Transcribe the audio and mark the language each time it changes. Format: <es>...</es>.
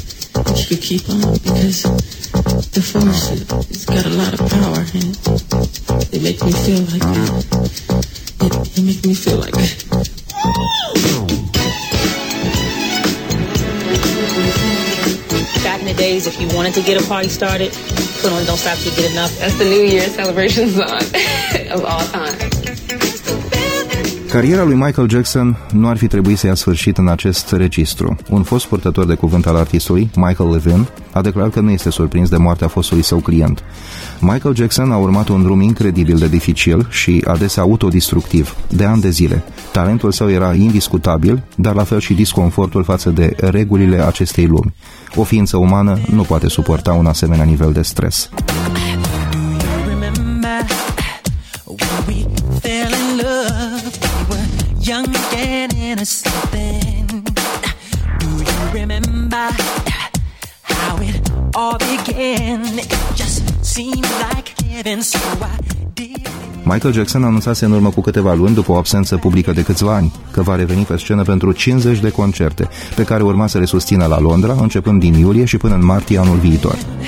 <en>The force, it's got a lot of power, and it makes me feel like it makes me feel like back in the days, if you wanted to get a party started, put on Don't Stop Till You Get Enough. That's the New Year celebration song of all time.</en> <ro>Cariera lui Michael Jackson nu ar fi trebuit să ia sfârșit în acest registru. Un fost purtător de cuvânt al artistului, Michael Levin, a declarat că nu este surprins de moartea fostului său client. Michael Jackson a urmat un drum incredibil de dificil și adesea autodestructiv, de ani de zile. Talentul său era indiscutabil, dar la fel și disconfortul față de regulile acestei lumi. O ființă umană nu poate suporta un asemenea nivel de stres.</ro> <en>Young again in a something. Do you remember how it all began? It just seemed like heaven, so I did.</en> <ro>Michael Jackson anunțase în urmă cu câteva luni, după o absență publică de câțiva ani, că va reveni pe scenă pentru 50 de concerte, pe care urma să le susțină la Londra, începând din iulie și până în martie anul viitor.</ro>